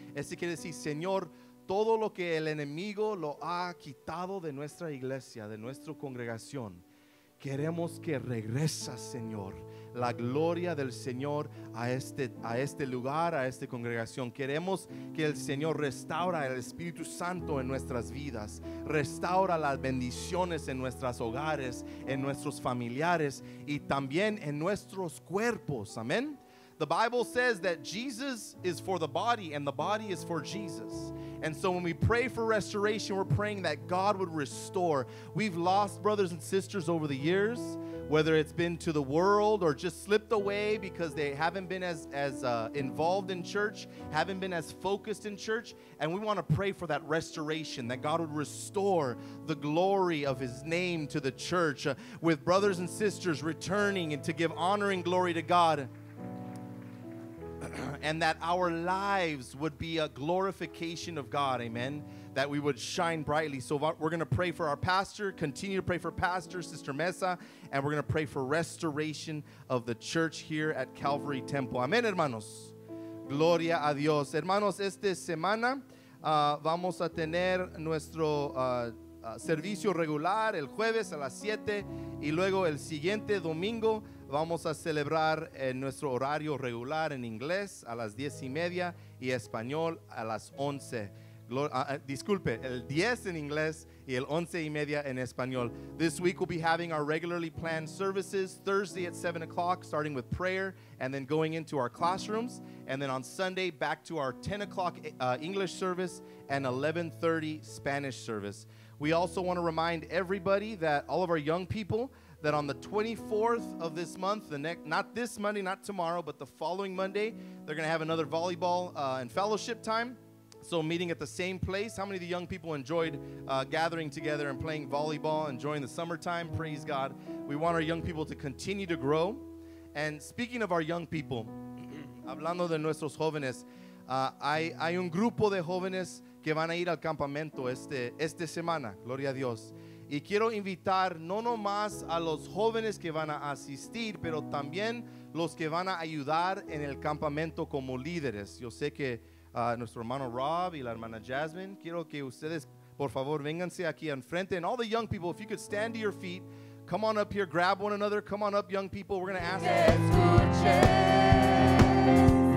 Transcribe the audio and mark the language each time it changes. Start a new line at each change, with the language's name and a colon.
Spanish: Ese quiere decir, Señor, todo lo que el enemigo lo ha quitado de nuestra iglesia, de nuestra congregación, queremos que regresa, Señor, la gloria del Señor a este lugar, a esta congregación. Queremos que el Señor restaura el Espíritu Santo en nuestras vidas, restaura las bendiciones en nuestros hogares, en nuestros familiares, y también en nuestros cuerpos. Amén.
English: The Bible says that Jesus is for the body and the body is for Jesus. And so when we pray for restoration, we're praying that God would restore. We've lost brothers and sisters over the years, whether it's been to the world or just slipped away because they haven't been as involved in church, haven't been as focused in church. And we want to pray for that restoration, that God would restore the glory of his name to the church, with brothers and sisters returning and to give honor and glory to God. And that our lives would be a glorification of God, amen, that we would shine brightly. So we're going to pray for our pastor, continue to pray for Pastor Sister Mesa, and we're going to pray for restoration of the church here at Calvary Temple.
Spanish: Amen, hermanos. Gloria a Dios. Hermanos, esta semana vamos a tener nuestro servicio regular el jueves a las 7, y luego el siguiente domingo vamos a celebrar en nuestro horario regular en inglés a las 10:30 y español a las 11. Disculpe, el 10 en inglés y el 11:30 en español.
English: This week we'll be having our regularly planned services Thursday at 7 o'clock, starting with prayer and then going into our classrooms. And then on Sunday back to our 10 o'clock English service and 11:30 Spanish service. We also want to remind everybody that all of our young people, that on the 24th of this month, the next, not this Monday, not tomorrow, but the following Monday, they're going to have another volleyball and fellowship time. So meeting at the same place. How many of the young people enjoyed gathering together and playing volleyball, enjoying the summertime? Praise God. We want our young people to continue to grow. And speaking of our young people,
Spanish: hablando de nuestros jóvenes, hay un grupo de jóvenes que van a ir al campamento este semana, gloria a Dios. Y quiero invitar no nomás a los jóvenes que van a asistir, pero también los que van a ayudar en el campamento como líderes. Yo sé que nuestro hermano Rob y la hermana Jasmine, quiero que ustedes, por favor, vénganse aquí enfrente.
English: And all the young people, if you could stand to your feet, come on up here, grab one another. Come on up, young people. We're going to ask them.